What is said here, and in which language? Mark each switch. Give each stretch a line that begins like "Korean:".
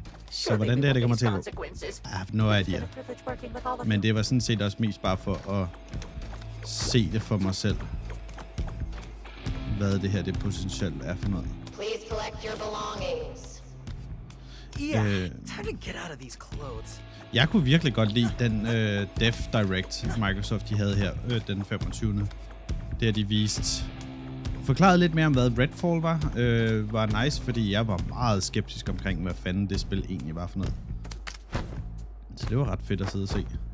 Danish: Så hvordan det her, det kommer til at gå?
English: I have no idea.
Danish: Men det var sådan set også mest bare for at se det for mig selv. Hvad det her, det potentielt er for noget.
English: Please collect your belongings. Yeah, time to get out of these clothes.
Danish: Jeg kunne virkelig godt lide den Dev Direct Microsoft, de havde her den 25. Det har de vist. Forklaret lidt mere om, hvad Redfall var, var nice, fordi jeg var meget skeptisk omkring, hvad fanden det spil egentlig var for noget. Så det var ret fedt at sidde og se.